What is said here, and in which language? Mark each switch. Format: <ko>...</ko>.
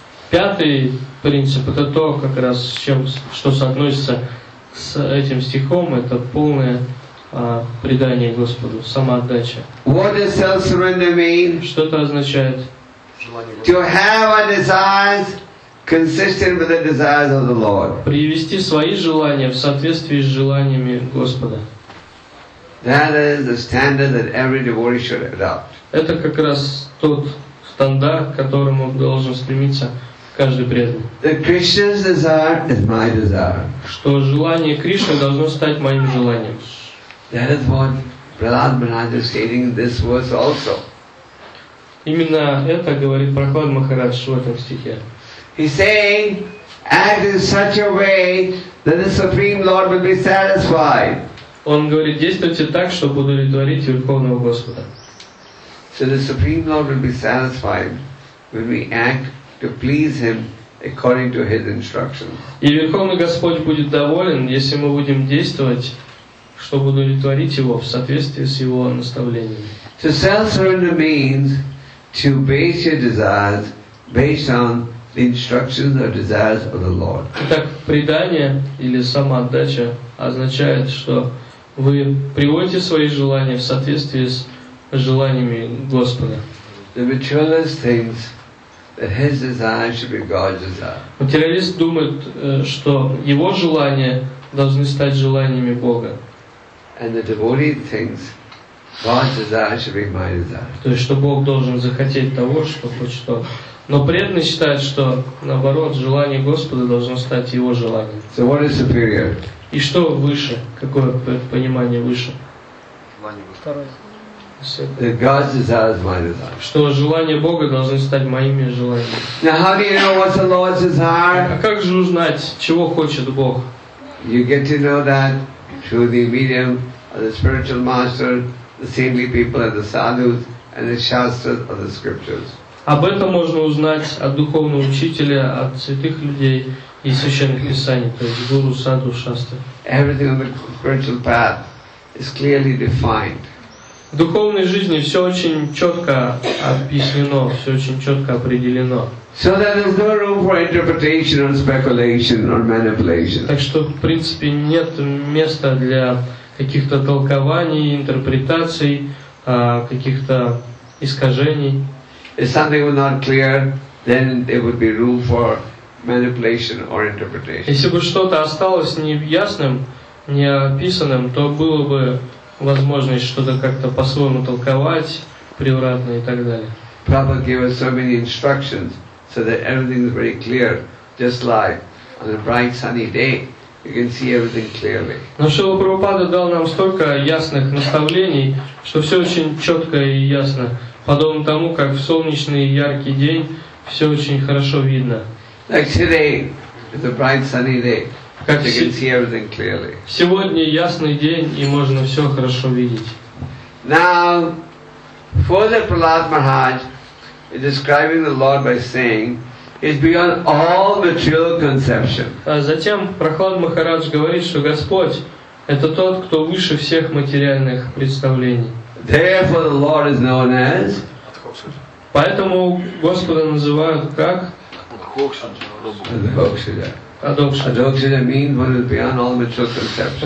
<ru>Пятый принцип — это то, как раз с чем, что соотносится с этим стихом, это полное предание Господу, самоотдача.</ru> <en>What does self-surrender mean?</en> <ru>Что это означает?</ru> <en>To have our desires consistent with the desires of the Lord.</en> <ru>Привести свои желания в соответствии с желаниями Господа.</ru> <en>That is the standard that every devotee should adopt.</en> <ru>Это как раз тот стандарт, к которому должен стремиться каждый преданный.</ru> <en>That Krishna's desire is my desire.</en> <ru>Что желание Кришны должно стать моим желанием.</ru> <en>That is what Prahlad Maharaj is stating in this verse also.</en> <ru>Именно это говорит Прохлад Махарадж в этом стихе.</ru> <en>He's saying, act in such a way that the Supreme Lord will be satisfied.</en> <ru>Он говорит, действуйте так, чтобы удовлетворить Верховного Господа.</ru> <en>So the Supreme Lord will be satisfied when we act to please Him according to His instructions.</en> <ru>И Верховный Господь будет доволен, если мы будем действовать, чтобы удовлетворить его в соответствии с его наставлениями.</ru> <en>To self-surrender means to base your desires based on the instructions or desires of the Lord.</en> <ru>Итак, предание или самоотдача означает, что вы приводите свои желания в соответствии с желаниями Господа.</ru> <en>The materialist thinks that his desire should be God's desire.</en> <ru>Материалист думает, что его желания должны стать желаниями Бога.</ru> <en>And the devotee thinks God's desire should be my desire.</en> <ru>То есть, что Бог должен захотеть того, что хочет он. Но преданный считает, что наоборот, желание Господа должно стать его желанием.</ru> <en>So what is superior?</en> <ru>И что выше? Какое понимание выше?</ru> <en>That God's desire is my desire.</en> <ru>Что желание Бога должно стать моими желаниями.</ru> <en>Now how do you know what's the Lord's desire?</en> <ru>А как же узнать, чего хочет Бог?</ru> <en>You get to know that through the medium of the spiritual master, the saintly people and the sadhus and the shastras of the scriptures.</en> <ru>Об этом можно узнать от духовного учителя, от святых людей и священных писаний, то есть гуру, садху, шастры.</ru> <en>Everything on the spiritual path is clearly defined.</en> <ru>В духовной жизни все очень четко объяснено, все очень четко определено.</ru> <en>So there is no room for interpretation or speculation or manipulation.</en> <ru>Так что, в принципе, нет места для каких-то толкований, интерпретаций, каких-то искажений.</ru> <en>If something were not clear, then there would be room for manipulation or interpretation.</en> <ru>Если бы что-то осталось неясным, неописанным, то было бы возможность что-то как-то по-своему толковать, превратно и так далее.</ru> <en>Prabhupada gave us so many instructions so that everything is very clear, just like on a bright sunny day, you can see everything clearly.</en> <ru>Но Шрила Прабхупада дал нам столько ясных наставлений, что все очень четко и ясно, подобно тому, как в солнечный яркий день все очень хорошо видно.</ru> <en>Like today, it's a bright sunny day, so you can see everything clearly.</en> <ru>Сегодня ясный день, и можно все хорошо видеть.</ru> <en>Now, further Prahlad Maharaj is describing the Lord by saying, it's beyond all material conception.</en> <ru>Затем Прахлад Махарадж говорит, что Господь — это Тот, Кто выше всех материальных представлений.</ru> <en>Therefore, the Lord is known as...</en> <ru>Поэтому Господа называют как?</ru> <en>Адхокшаджа. Means one is beyond all material conception.</en>